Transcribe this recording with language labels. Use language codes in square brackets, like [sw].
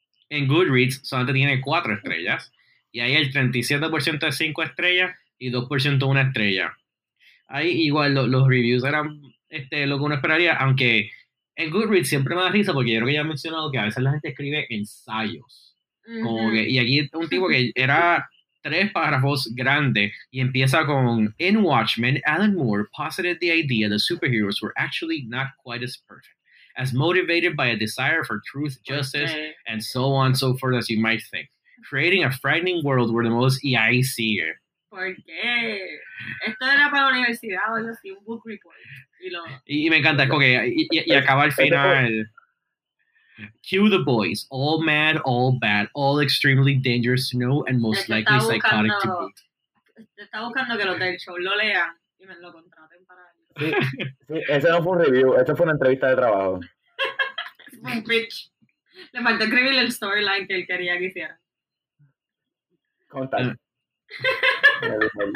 [es] En Goodreads solamente tiene 4 estrellas y ahí el 37% de 5 estrellas y 2% de 1 estrella. Ahí igual los reviews eran lo que uno esperaría, aunque... En Goodreads siempre me da risa porque yo creo que ya he mencionado que a veces la gente escribe ensayos. Como que, y aquí un tipo que era 3 párrafos grande y empieza con [en] "In Watchmen, Alan Moore posited the idea that superheroes were actually not quite as perfect, as motivated by a desire for truth, justice, and so on so forth as you might think. Creating a frightening world where the most EIC-er." [es] ¿Por qué? Esto era para la universidad, o sea, un book report. Y me encanta, okay, y acaba el final. [en] Cue the boys, all mad, all bad, all extremely dangerous to know and most likely psychotic to beat. [es] Está buscando que los del show lo lean y me lo contraten para él. Sí, ese no fue un review, esa fue una entrevista de trabajo. Fue un pitch. Le faltó escribirle el storyline que él quería que hiciera. Contar.